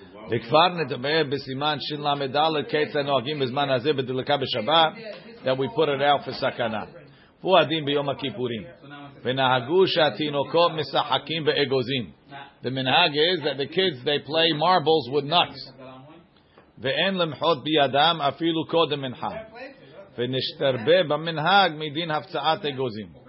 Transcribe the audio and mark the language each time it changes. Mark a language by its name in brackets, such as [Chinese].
[Hebrew] וכבר נדבר בסימן של המדלת כיצד נוהגים בזמן הזה בדלקה בשבת, [English] that we put it out for [Hebrew] סכנה. פועדים ביום הכיפורים. ונהגו שהתינוקות משחקים באגוזים. [English] The menhag is that the kids, they play marbles with nuts. [Hebrew] ואין למחות בידם אפילו קודם מנחה. ונשתרבה במנהג מדין הפצעת אגוזים.